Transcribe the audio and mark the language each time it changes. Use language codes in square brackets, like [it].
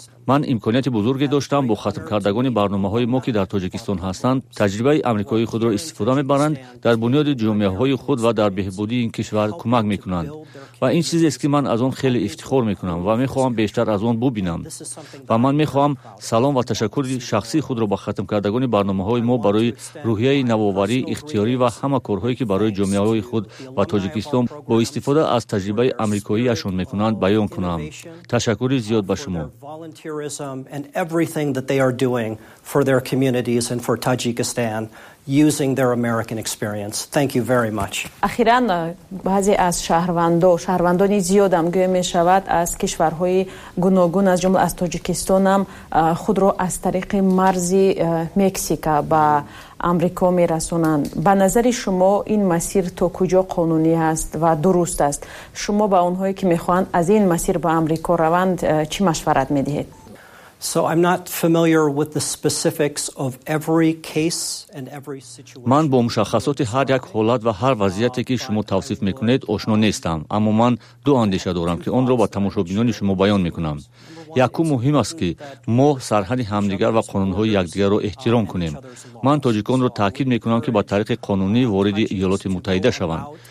[fa] من امکانیت بزرگی داشتم با ختم کردگان برنامه های ما که در تاجیکستان هستند تجربه امریکایی خود را استفاده می برند، در بنیاد جامعه های خود و در بهبودی این کشور کمک می کنند و این چیزی است که من از آن خیلی افتخار می کنم و می خواهم بیشتر از آن ببینم و من می خواهم سلام و تشکر شخصی خود را به ختم کردگان برنامه های ما برای روحیه نوآوری اختیاری و همه کارهایی که برای جامعه های خود و تاجیکستان با استفاده از تجربه امریکایی اشون می کنند بیان کنم. تشکر زیاد به شما. [en] And everything that they are doing for their communities and for Tajikistan using their American experience. Thank you very much. [fa] اخیراً بعضی از شهروندانی زیاد هم گویا میشود از کشورهای گوناگون از جمله از تاجیکستان هم خود را از طریق مرز مکزیکا با آمریکا میرسونند. به نظر شما این مسیر تا کجا قانونی است و درست است؟ شما به اونهایی که میخوان از این مسیر به آمریکا روند چی مشورت میدهید؟ [en] So I'm not familiar with the specifics of every case and every situation. [fa] من با مشخصات هر یک حالت و هر وضعیتی که شما توصیف میکنید آشنا نیستم، اما من دو اندیشه دارم که اون را با تماشاگران شما بیان میکنم. یکو مهم است که ما سرحد همدیگر و قانونهای یکدیگر را احترام کنیم. من تاجیکان را تاکید میکنم که با طریق قانونی وارد ایالات متحده شوند.